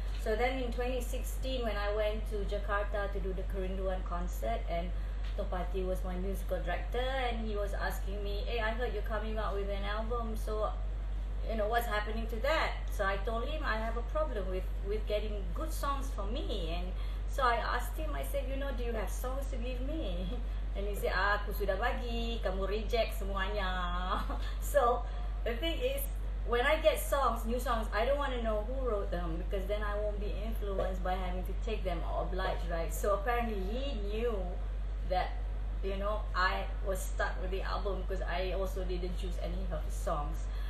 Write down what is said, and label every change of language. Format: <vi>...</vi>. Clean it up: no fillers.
<en>So then in 2016, when I went to Jakarta to do the Kerinduan concert, and Topati was my musical director, and he was asking me, hey, I heard you're coming out with an album, so, you know, what's happening to that? So I told him I have a problem with getting good songs for me. And so I asked him, I said, you know, do you have songs to give me? And he said,</en> <id>aku sudah bagi, kamu reject semuanya.</id> <en>So, the thing is, when I get songs, new songs, I don't want to know who wrote them because then I won't be influenced by having to take them or obliged, right? So apparently he knew that, you know, I was stuck with the album because I also didn't choose any of his songs.</en>